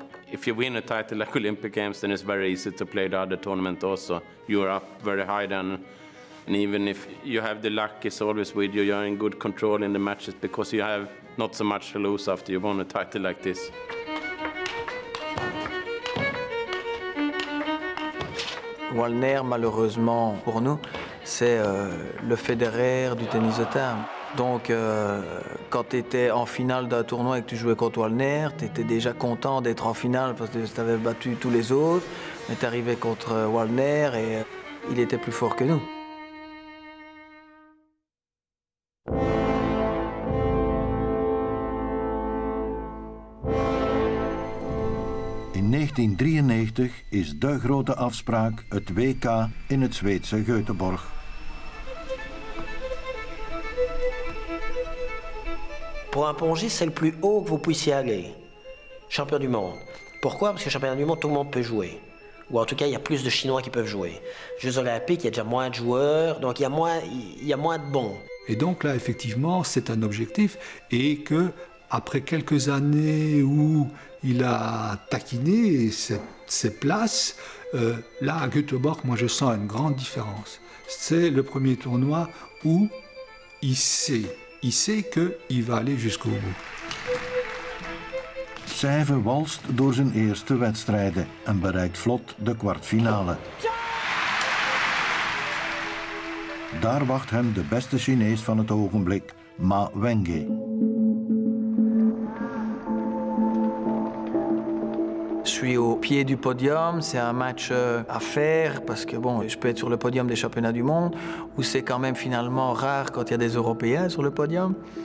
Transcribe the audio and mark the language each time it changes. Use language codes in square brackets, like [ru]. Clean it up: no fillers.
[en] If you win a title like Olympic Games, then it's very easy to play the other tournament also. You're up very high then, and even if you have the luck, it's always with you. You're in good control in the matches because you have not so much to lose after you won a title like this. [fr] Waldner, malheureusement pour nous, c'est le Federer du tennis de table. Donc, quand tu étais en finale d'un tournoi et que tu jouais contre Waldner, tu étais déjà content d'être en finale parce que tu avais battu tous les autres. Mais tu arrivais contre Waldner et il était plus fort que nous. [nl] In 1993 is de grote afspraak het WK in het Zweedse Göteborg. [fr] Pour un pongiste, c'est le plus haut que vous puissiez aller. Champion du monde. Pourquoi? Parce que championnat du monde, tout le monde peut jouer. Ou en tout cas, il y a plus de Chinois qui peuvent jouer. Jeux olympiques, il y a déjà moins de joueurs, donc il y a moins de bons. Et donc là, effectivement, c'est un objectif. Et que après quelques années où il a taquiné ses places, là, à Göteborg, moi, je sens une grande différence. C'est le premier tournoi où il sait qu'il va aller jusqu'au bout. [nl] Sève walst door zijn eerste wedstrijden en bereikt vlot de kwartfinale. Daar wacht hem de beste Chinees van het ogenblik, Ma Wenge. [fr] Je suis au pied du podium, c'est un match à faire parce que bon, je peux être sur le podium des championnats du monde où c'est quand même finalement rare quand il y a des Européens sur le podium.